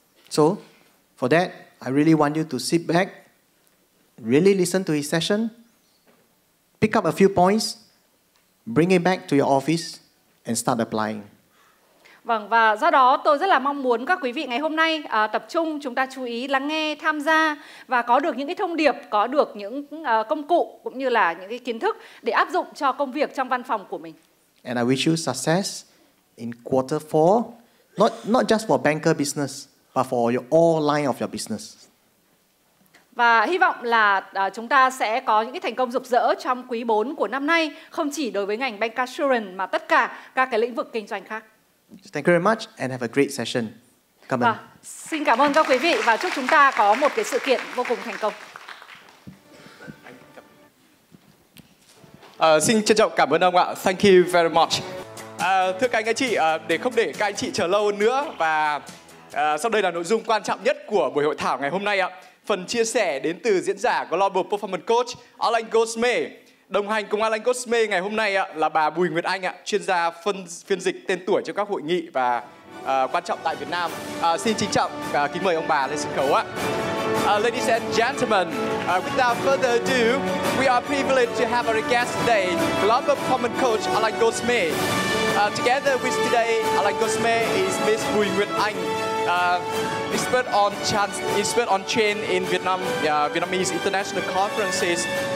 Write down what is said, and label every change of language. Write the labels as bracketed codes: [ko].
[en] So, for that, I really want you to sit back, really listen to his session, pick up a few points, bring it back to your office and start applying. [vi] Vâng, và do đó tôi rất là mong muốn các quý vị ngày hôm nay tập trung, chúng ta chú ý lắng nghe, tham gia và có được những cái thông điệp, có được những công cụ cũng như là những cái kiến thức để áp dụng cho công việc trong văn phòng của mình. [en] And I wish you success in quarter four, not just for banker business, but for your all line of your business. [vi] Và hy vọng là chúng ta sẽ có những cái thành công rực rỡ trong quý 4 của năm nay, không chỉ đối với ngành bancassurance mà tất cả các cái lĩnh vực kinh doanh khác. [en] Thank you very much and have a great session. Come on. [vi] Xin cảm ơn các quý vị và chúc chúng ta có một cái sự kiện vô cùng thành công. Xin trân trọng cảm ơn ông ạ. [en] Thank you very much. [vi] Thưa các anh chị, để không để các anh chị chờ lâu nữa, và sau đây là nội dung quan trọng nhất của buổi hội thảo ngày hôm nay ạ. Phần chia sẻ đến từ diễn giả Global Performance Coach Alan Goldsmith. Đồng hành cùng Alan Cosme ngày hôm nay là bà Bùi Nguyệt Anh ạ, chuyên gia phiên dịch tên tuổi cho các hội nghị và quan trọng tại Việt Nam. Xin trân trọng kính mời ông bà lên sân khấu ạ. [en] Ladies and gentlemen, without further ado, we are privileged to have our guest today, Global Performance Coach Alan Cosme. Together with today, Alan Cosme is Miss Bùi Nguyệt Anh. Expert on chain in Vietnam, Vietnamese international conferences.